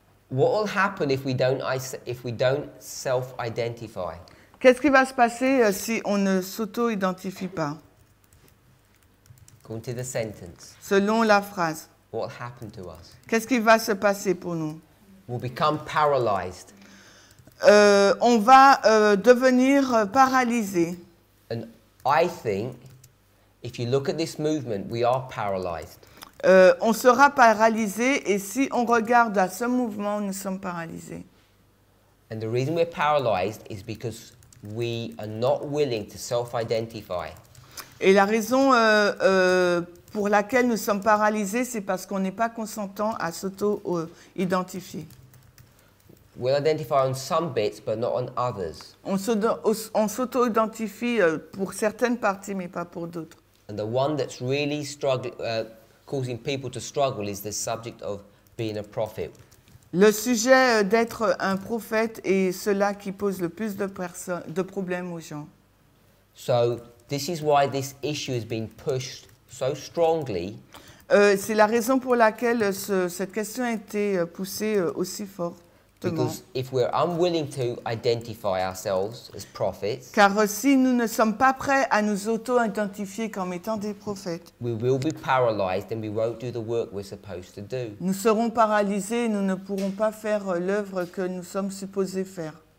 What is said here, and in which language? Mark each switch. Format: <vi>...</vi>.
<en>What will happen if we don't self-identify?</en> <fr>Qu'est-ce qui va se passer si on ne s'auto-identifie pas?</fr> <en>According to the sentence.</en> <fr>Selon la phrase.</fr> <en>What will happen to us?</en> <fr>Qu'est-ce qui va se passer pour nous?</fr> <en>We'll become paralyzed.</en> <fr>On va devenir paralysé.</fr> <en>And I think, if you look at this movement, we are paralyzed.</en> <fr>On sera paralysé et si on regarde à ce mouvement, nous sommes paralysés.</fr> <en>And the reason we're paralyzed is because we are not willing to self-identify.</en> <fr>Et la raison pour laquelle nous sommes paralysés, c'est parce qu'on n'est pas consentant à s'auto-identifier.</fr> <en>We'll identify on some bits, but not on others.</en> <fr>On s'auto-identifie pour certaines parties, mais pas pour d'autres.</fr> <en>And the one that's really causing people to struggle is the subject of being a prophet.</en> <fr>Le sujet d'être un prophète est cela qui pose le plus de problèmes aux gens.</fr> <en>So, this is why this issue has been pushed so strongly.</en> <fr>C'est la raison pour laquelle cette question a été poussée aussi fortement.</fr> <en>Because if we're unwilling to identify ourselves as prophets,</en> <fr>car si nous ne sommes pas prêts à nous auto-identifier comme étant des prophètes,</fr> <en>we will be paralyzed and we won't do the work we're supposed to do.</en> <fr>Nous serons paralysés et nous ne pourrons pas faire l'œuvre que nous sommes supposés faire.</fr>